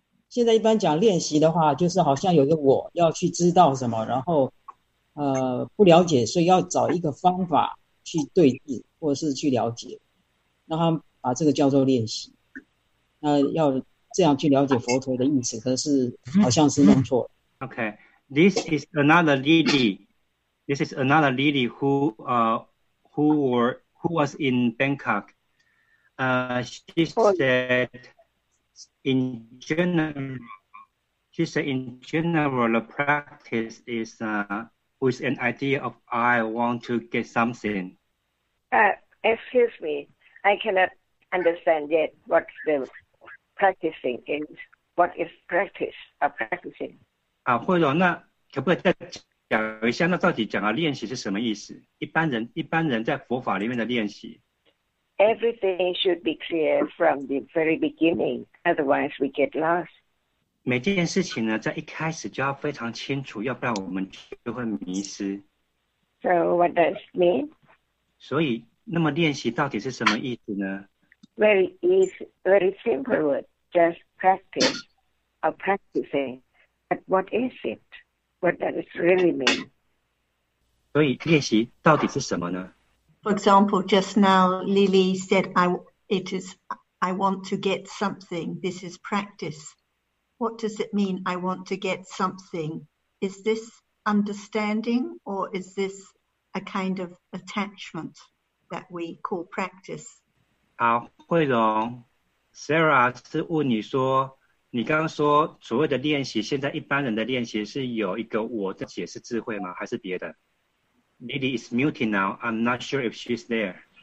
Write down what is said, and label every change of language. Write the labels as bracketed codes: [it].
[zh] 现在一般讲练习的话，就是好像有一个我要去知道什么，然后不了解，所以要找一个方法去对治，或者是去了解，让他把这个叫做练习。那要这样去了解佛陀的意思，可是好像是弄错了。 [en] Okay, this is another lady who was in Bangkok. She said in general the practice is with an idea of I want to get something. Excuse me, I cannot understand yet what the practicing is. What is practice of practicing? [zh] 啊，慧荣，那可不可以再讲一下？那到底讲的练习是什么意思？一般人在佛法里面的练习。 [en] Everything should be clear from the very beginning, otherwise we get lost. [zh] 每件事情呢，在一开始就要非常清楚，要不然我们就会迷失。 [en] So what does it mean? [zh] 所以，那么练习到底是什么意思呢？ [en] Very easy, very simple word, just practice, or practicing. But what is it? What does it really mean? [zh] 所以练习到底是什么呢？ [en] For example, just now Lily said, I want to get something. This is practice. What does it mean, I want to get something? Is this understanding or is this a kind of attachment that we call practice? [zh] 好，慧蓉 ,Sarah 是问你说，你刚刚说所谓的练习，现在一般人的练习是有一个我的解释智慧吗？还是别的？ [en] Lily is muting now, I'm not sure if she's there.